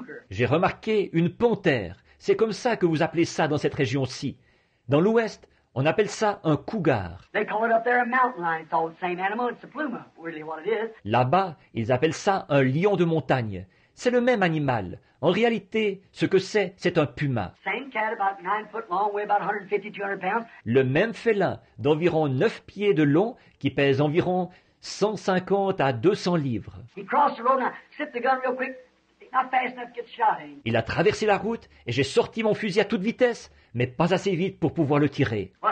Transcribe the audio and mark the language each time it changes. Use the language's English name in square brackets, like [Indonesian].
[French] J'ai remarqué une panthère. C'est comme ça que vous appelez ça dans cette région-ci. Dans l'ouest, on appelle ça un cougar. [English] They call it up there a mountain lion. It's all the same animal. It's a pluma, really what it is. [French] Là-bas, ils appellent ça un lion de montagne. C'est le même animal. En réalité, ce que c'est un puma. [English] Same cat, about 9 foot long, weigh about 150-200 pounds. [French] Le même félin, d'environ 9 pieds de long, qui pèse environ 150 à 200 livres. [English] He crossed the road and I slipped the gun real quick. Not fast enough to get shot in. [French] Il a traversé la route et j'ai sorti mon fusil à toute vitesse. Mais pas assez vite pour pouvoir le tirer.